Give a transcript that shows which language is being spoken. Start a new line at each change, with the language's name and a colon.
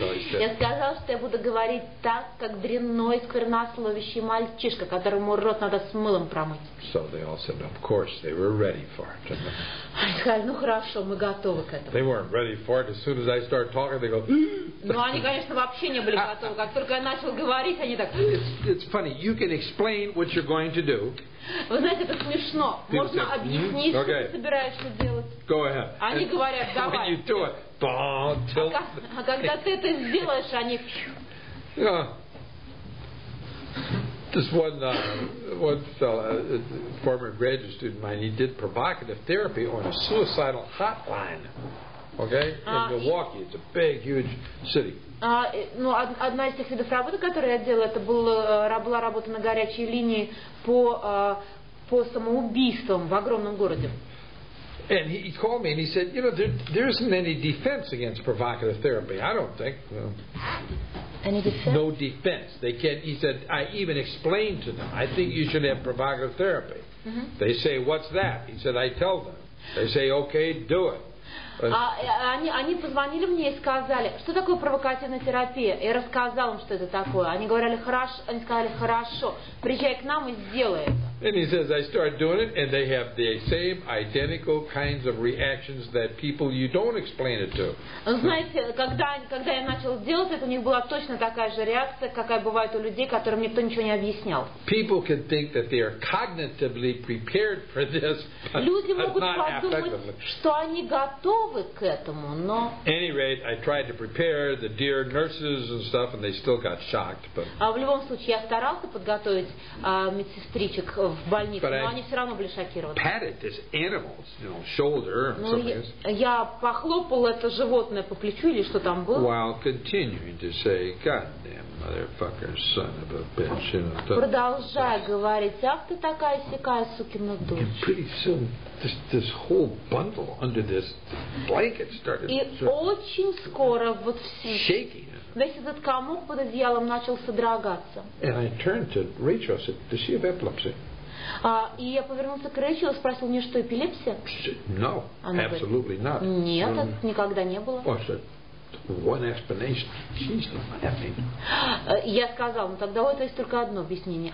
Russian: Я сказал, что я буду говорить так, как дрянной сквернословящий мальчишка, которому рот надо с мылом промыть.
English: So they all said, of course, they were ready for it.
Russian: Они сказали, ну хорошо, мы готовы к этому.
English: They weren't ready for it. As soon as I start talking, they go.
Russian: Ну они, конечно, вообще не были готовы. Как только я начал говорить, они так.
English: It's funny. You can explain what you're going to do.
Russian: Вы знаете, это смешно. Можно объяснить, что ты собираешься делать.
English: Go ahead.
Russian: Они говорят, давай. А когда ты это сделаешь, они.
English: This one fellow, former graduate student of mine, he did provocative therapy on a suicidal hotline. Okay? In Milwaukee. It's a big, huge city.
Russian: Одна из тех видов работы, которую я делала, это была работа на горячей линии по самоубийствам в огромном городе.
English: And he called me and he said, you know, there isn't any defense against provocative therapy, I don't think. Any defense? No defense. They can't. He said, I even explained to them, I think you should have provocative therapy. Mm-hmm. They say, what's that? He said, I tell them. They say, okay, do it.
Russian: Они позвонили мне и сказали, что такое провокативная терапия. Я рассказал им, что это такое. Они сказали, хорошо, приезжай к нам и сделай это.
English: And he says, I start doing it, and they have the same identical kinds of reactions that people you don't explain it to.
Russian: Знаете, когда я начал делать это, у них была точно такая же реакция, какая бывает у людей, которым никто ничего не объяснял.
English: People can think that they are cognitively prepared for this, but not
Russian: Люди могут подумать, что они готовы к этому, но.
English: At any rate, I tried to prepare the dear nurses and stuff, and they still got shocked. But.
Russian: А в любом случае, я старался подготовить медсестричек. В больнице,
English: but
Russian: но они все равно были шокированы.
English: Patted this animal's, you know, shoulder.
Russian: Я похлопал это животное по плечу или что там было.
English: While continuing to say, God damn motherfucker, son of a bitch, you know.
Russian: Продолжая говорить, ах ты такая сякая сукина дочь.
English: And pretty soon, this whole bundle under this blanket started.
Russian: И очень скоро вот все.
English: Shaking.
Russian: Весь этот комок под одеялом начал содрогаться.
English: And I turned to Rachel, said, "Does she have epilepsy?"
Russian: И я повернулся к Рэйчел и спросил, у нее что, эпилепсия?
English: No, absolutely not.
Russian: Нет, это никогда не было.
English: I said, one explanation. She's laughing.
Russian: Я сказал, ну тогда у этого есть только одно объяснение.